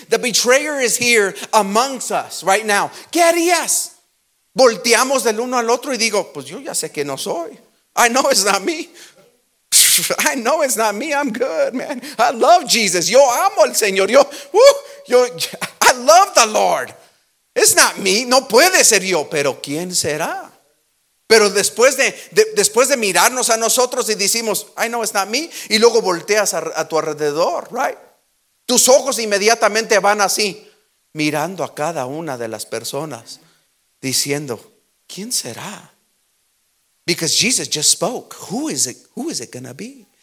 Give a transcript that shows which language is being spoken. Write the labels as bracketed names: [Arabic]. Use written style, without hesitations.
[English] The betrayer is here amongst us right now. [Spanish] ¿Qué harías? Volteamos del uno al otro y digo: pues yo ya sé que no soy. [English] I know it's not me. I know it's not me. I'm good, man. I love Jesus. [Spanish] Yo amo al Señor. [English] I love the Lord. It's not me, [Spanish] no puede ser yo, pero ¿quién será? Pero después de mirarnos a nosotros y decimos, [English] I know it's not me, [Spanish] y luego volteas a tu alrededor, [English] right? [Spanish] Tus ojos inmediatamente van así, mirando a cada una de las personas, diciendo, ¿quién será? [English] Because Jesus just spoke, who is it going to be?